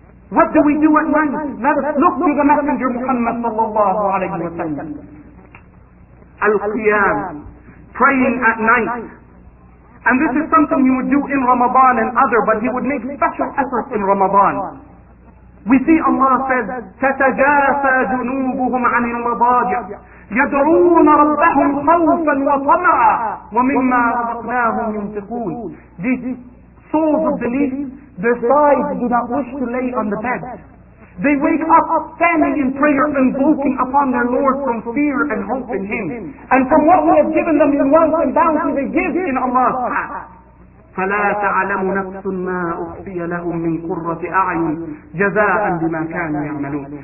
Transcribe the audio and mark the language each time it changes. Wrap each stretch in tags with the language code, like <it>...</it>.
<en>What do we do at night? Let us look to the Messenger Muhammad sallallahu alayhi wa sallam. Al-Qiyam, praying at night. And this is something you would do in Ramadan and other, but he would make special efforts in Ramadan. We see Allah says,</en> <ar>تَتَجَافَى جُنُوبُهُمْ عَنِ الْمَضَاجِعِ يَدْعُونَ رَبَّهُمْ خَوْفًا وَطَمَعًا وَمِمَّا رَزَقْنَاهُمْ يُنْفِقُونَ.</ar> <en>These souls of belief, their sides do not wish to lay on the bed. They wake up standing in prayer, invoking upon their Lord from fear and hope in Him. And from what He has given them in wealth and bounty, they give in Allah's path.</en> <ar>فَلَا تَعْلَمُ نَفْسٌ مَا أُخْفِيَ لَهُمْ مِنْ قُرَّةِ أَعْيٌ جَزَاءً بِمَا كَانُوا يَعْمَلُونَ.</ar>